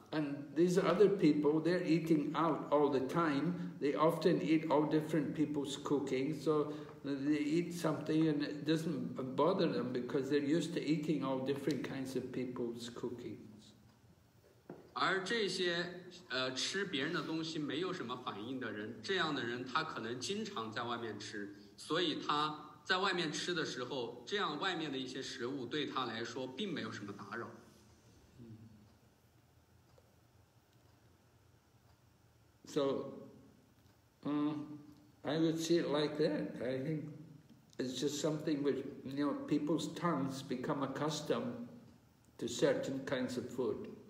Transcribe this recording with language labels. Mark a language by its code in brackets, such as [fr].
[en] And these other people, they're eating out all the time. They often eat all different people's cooking. So they eat something and it doesn't bother them because they're used to eating all different kinds of people's cooking. [zh] 而这些吃别人的东西没有什么反应的人，这样的人他可能经常在外面吃，所以他在外面吃的时候，这样外面的一些食物对他来说并没有什么打扰。So, [en] I would see it like that. I think it's just something which, you know, people's tongues become accustomed to certain kinds of food.